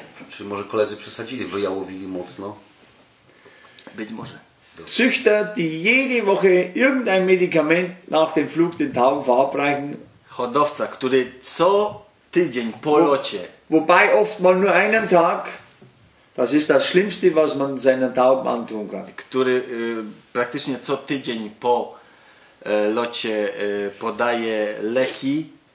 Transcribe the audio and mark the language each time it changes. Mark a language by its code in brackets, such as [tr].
[pl] Czy może koledzy przesadzili, wyjałowili mocno? Być może. [de] Züchter, die jede Woche irgendein Medikament nach dem Flug den Tauben verabreichen. [pl] Hodowca, który co tydzień po locie. [de] Wobei oft mal nur einen Tag. Das ist das Schlimmste, was man seinen Tauben antun kann. [pl] Który praktycznie co tydzień po locie podaje leki.